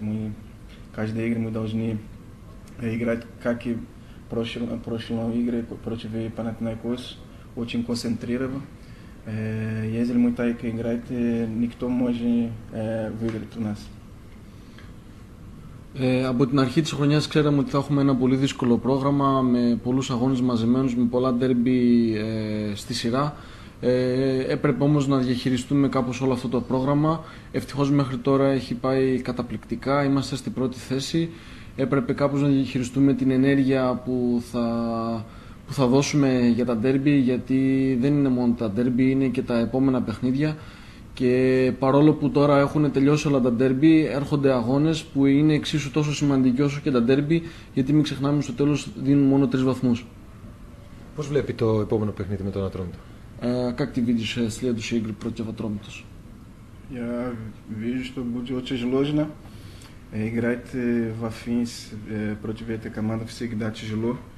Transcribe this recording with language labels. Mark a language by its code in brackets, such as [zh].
[ru] Мы каждой игре мы должны играть, как и прошлые игры против Панатинайкос, очень концентрированно. Если мы так играть, никто может выиграть у нас. [el] Από την αρχή της χρονιάς ξέραμε ότι θα έχουμε ένα πολύ δύσκολο πρόγραμμα με πολλούς αγώνες μαζεμένους, με πολλά ντέρμπι στη σειρά. Έπρεπε όμως να διαχειριστούμε κάπως όλο αυτό το πρόγραμμα. Ευτυχώς μέχρι τώρα έχει πάει καταπληκτικά, είμαστε στην πρώτη θέση. Έπρεπε κάπως να διαχειριστούμε την ενέργεια που θα δώσουμε για τα ντέρμπι, γιατί δεν είναι μόνο τα ντέρμπι, είναι και τα επόμενα παιχνίδια. Και παρόλο που τώρα έχουν τελειώσει όλα τα ντέρμπι, έρχονται αγώνες που είναι εξίσου τόσο σημαντικοί όσο και τα ντέρμπι, γιατί μην ξεχνάμε στο τέλος δίνουν μόνο 3 βαθμούς. Πώς βλέπει το επόμενο παιχνίδι με τον Ατρόμητο? [ru] Как ты видишь следующую игру против Ατρόμητος? Я вижу, что будет очень сложно. Играть в Афинс против этой команды всегда тяжело.